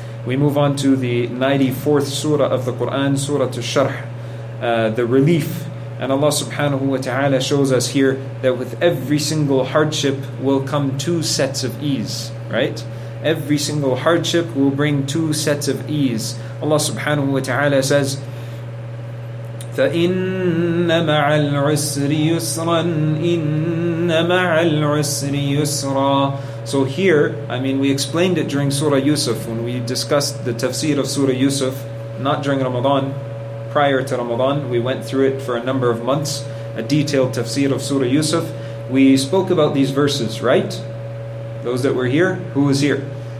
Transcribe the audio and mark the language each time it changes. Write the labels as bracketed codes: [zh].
[en] We move on to the 94th surah of the Quran, Surah Al-Sharh, the relief. And Allah subhanahu wa ta'ala shows us here that with every single hardship will come two sets of ease, right? Every single hardship will bring two sets of ease. Allah subhanahu wa ta'ala says, [ar] فَإِنَّ مَعَ الْعُسْرِ يُسْرًا إِنَّ مَعَ الْعُسْرِ يُسْرًا. [en] So here, I mean, we explained it during Surah Yusuf when we discussed the tafsir of Surah Yusuf, not during Ramadan, prior to Ramadan. We went through it for a number of months, a detailed tafsir of Surah Yusuf. We spoke about these verses, right? Those that were here, who was here?